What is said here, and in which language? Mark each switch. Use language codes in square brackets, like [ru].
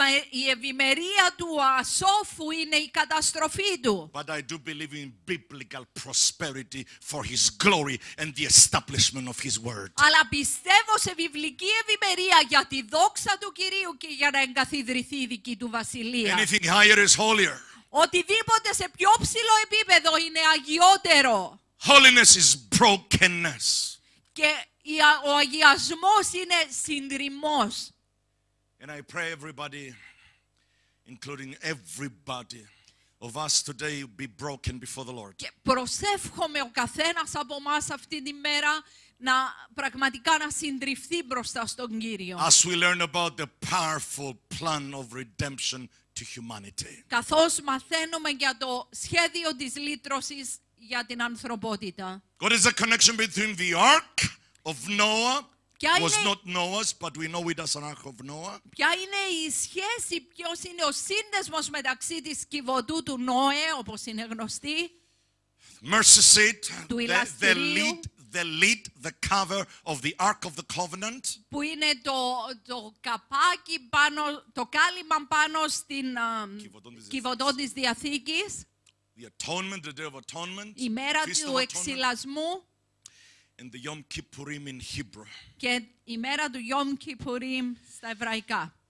[el] Η ευημερία του ασόφου είναι η καταστροφή του. [en] But I do believe in biblical prosperity for his glory and the establishment of his word. [el] Αλλά πιστεύω σε βιβλική ευημερία για τη δόξα του Κυρίου και για να εγκαθιδρυθεί η δική του βασιλεία. [en] Anything higher is holier. [el] Οτιδήποτε σε πιο ψηλό επίπεδο είναι αγιότερο. [en] Holiness is brokenness. [el] Και ο αγιασμός είναι συντριμμός. [en] And I pray everybody, including everybody of us today, be broken before the Lord. [el] Και προσεύχομαι ο καθένας από μας αυτή τη μέρα να πραγματικά να συντριφθεί μπροστά στον Κύριο. [en] As we learn about the powerful plan of redemption to humanity. [el] Καθώς μαθαίνουμε για το σχέδιο της λύτρωσης για την ανθρωπότητα. [en] What is the connection between the Ark of Noah? Was not Noah's, but we know it as an Ark of Noah. [el] Ποια είναι η σχέση, ποιος είναι ο σύνδεσμος μεταξύ της κηβωτού του Νόε, όπως είναι γνωστή. [en] Mercy seat, [el] του ηλαστηρίου. [en] The lid, the cover of the Ark of the Covenant. [el] Που είναι το καπάκι πάνω, το κάλυμα πάνω στην κηβωτό της Διαθήκης. [en] The Atonement, the Day of Atonement. [el] Η μέρα του εξυλασμού. [en] And the Yom Kippurim in Hebrew. [el] Και η μέρα του Yom Kippurim στα εβραϊκά.